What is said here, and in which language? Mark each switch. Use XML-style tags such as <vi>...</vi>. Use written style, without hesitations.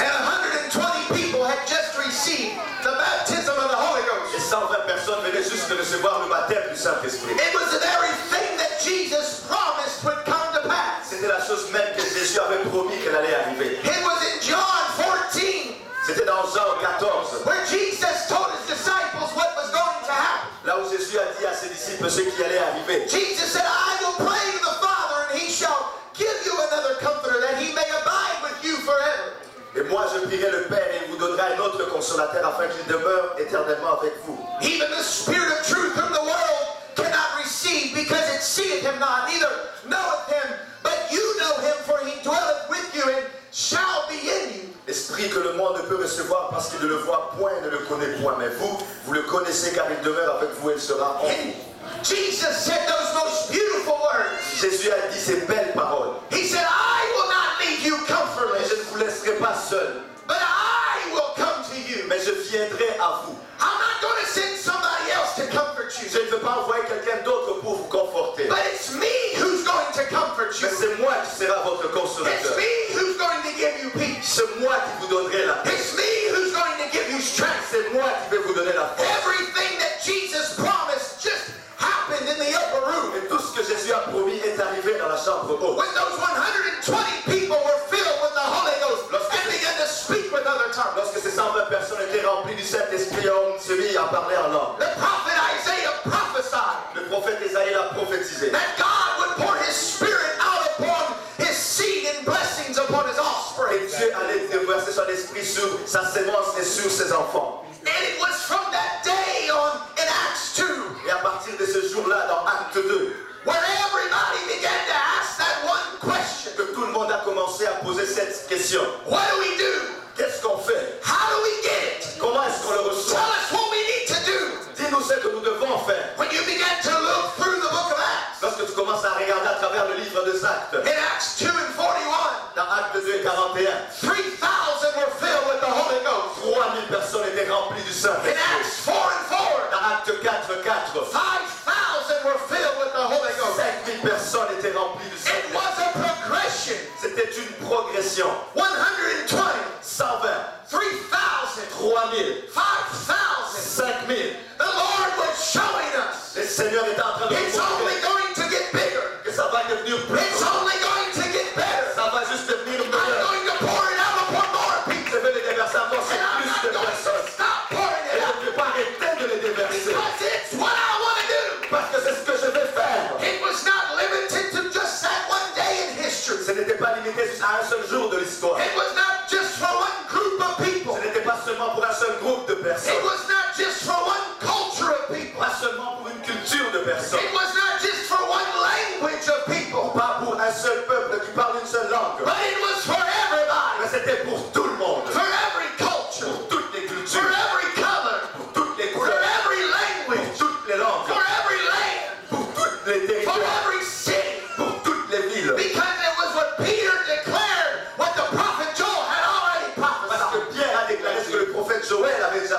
<en>And 120 people had just received the baptism of the Holy Ghost.</en> <fr>Et 120 personnes venaient juste de recevoir le baptême du Saint-Esprit.</fr> <en>It was the very thing that Jesus promised would come to pass.</en> <fr>C'était la chose même que Jésus avait promis qu'elle allait arriver.</fr> <en>It was in John 14.</en> <fr>C'était dans Jean 14.</fr> <en>Where Jesus told his disciples what was going to happen.</en> <fr>Là où Jésus a dit à ses disciples ce qui allait arriver.</fr> <en>Jesus said, I will pray to the Father and he shall give you another comforter that he may abide with you forever.</en> <fr>Et moi je prierai le Père et il vous donnera un autre consolateur afin qu'il demeure éternellement avec vous.</fr> <en>Even the spirit of truth whom the world cannot receive because it seeth him not, neither knoweth him, but you know him, for he dwelleth with you and shall be in you.</en> <fr>Esprit que le monde ne peut recevoir parce qu'il ne le voit point et ne le connaît point. Mais vous, vous le connaissez car il demeure avec vous et il sera en vous.</fr> <en>Jesus said those most beautiful words.</en> <fr>Jésus a dit ces belles paroles.</fr> <en>He said, I will not leave you comfortless.</en> <fr>Je ne vous laisserai pas seul.</fr> <en>But I will come to you.</en> <fr>Mais je viendrai à vous.</fr> <en>I'm not going to send somebody else to comfort you.</en> <fr>Je ne veux pas envoyer quelqu'un d'autre pour vous conforter.</fr> <en>But it's me who's going to comfort you.</en> <fr>Mais c'est moi qui serai votre consolateur.</fr> <en>It's me who's going to give you peace.</en> <fr>C'est moi qui vous donnerai la paix.</fr> <en>It's me who's going to give you strength.</en> <fr>C'est moi qui vais vous donner la force.</fr> <en>Everything that Jesus promised just happened in the upper room.</en> <fr>Et tout ce que Jésus a promis est arrivé dans la chambre haute.</fr> <en>When those 120 people were filled with the Holy Ghost,</en> <fr>lorsque</fr> <en>and began to speak with other tongues.</en> <fr>Lorsque ces 120 personnes étaient remplies du Saint-Esprit, on se mit à parler en langue.</fr> <en>The prophet Isaiah prophesied.</en> <fr>Le prophète Isaïe l'a prophétisé.</fr> <en>That God would pour his spirit out upon his seed and blessings upon his offspring.</en> <fr>Et Dieu allait déverser son esprit sur sa semence et sur ses enfants.</fr> <en>And it was from that day on in Acts 2.</en> <fr>Et à partir de ce jour-là, dans Acte 2,</fr> <en>where everybody began to ask that one question.</en> <fr>Que tout le monde a commencé à poser cette question.</fr> <en>What do we do?</en> <fr>Qu'est-ce qu'on fait?</fr> <en>How do we get it?</en> <fr>Comment est-ce qu'on le reçoit?</fr> <en>Tell us what we need to do.</en> <fr>Dis-nous ce que nous devons faire.</fr> <en>When you begin to look through the book of Acts.</en> <fr>Lorsque tu commences à regarder à travers le livre des Actes.</fr> <en>In Acts 2 and 41.</en> <fr>Dans Acte 2 et 41.</fr> <en>3,000 were filled with the Holy Ghost.</en> <fr>3,000 personnes étaient remplies du Saint-Esprit.</fr> <en>In Acts 4 and 4.</en> <fr>Dans Acte 4 et 4.</fr> <en>5,000 were filled with the Holy Ghost.</en> <fr>5,000 personnes étaient remplies du Saint-Esprit.</fr> <en>It was a progression.</en> <fr>C'était une progression. 120. 120. 3,000. 5,000.</fr> <en>The Lord was showing us.</en> <fr>Le Seigneur est en train de nous montrer.</fr> <en>It's only going to get bigger.</en> <fr>Que ça va devenir plus.</fr> <en>It's</en> <fr>gros.</fr> <en>Only going to get better.</en> <fr>Ça va juste devenir meilleur.</fr> <en>I'm going to pour it out upon more people.</en> <fr>Je vais le déverser encore sur plus de personnes.</fr> <en>And I'm not going to stop pouring it out.</en> <fr>Et je ne vais pas arrêter de le déverser.</fr> <en>Because it's what I want to do.</en> <fr>Parce que c'est ce que je vais faire.</fr> <en>It was not limited to just that one day in history.</en> <fr>Ce n'était pas limité juste à un seul jour de l'histoire.</fr> <en>It was not just for one group of people.</en> <fr>Ce n'était pas seulement pour un seul groupe de personnes.</fr> <en>It was not just for one culture of people.</en> <fr>Pas seulement pour une culture de personnes.</fr> <en>It was not just for one language of people.</en> <fr>Ou pas pour un seul peuple qui parle une seule langue.</fr> <en>But it was for everybody.</en> <fr>Mais c'était pour tout le monde.</fr> <en>For every culture.</en> <fr>Pour toutes les cultures.</fr> <en>For every color.</en> <fr>Pour toutes les couleurs.</fr> <en>For every language.</en> <fr>Pour toutes les langues.</fr> <en>For every land.</en> <fr>Pour toutes les territoires.</fr> <en>For every city.</en> <fr>Pour toutes les villes.</fr> <en>Because it was what Peter declared, what the prophet Joel had already prophesied.</en> <fr>Parce que Pierre a déclaré ce que le prophète Joël avait déjà</fr>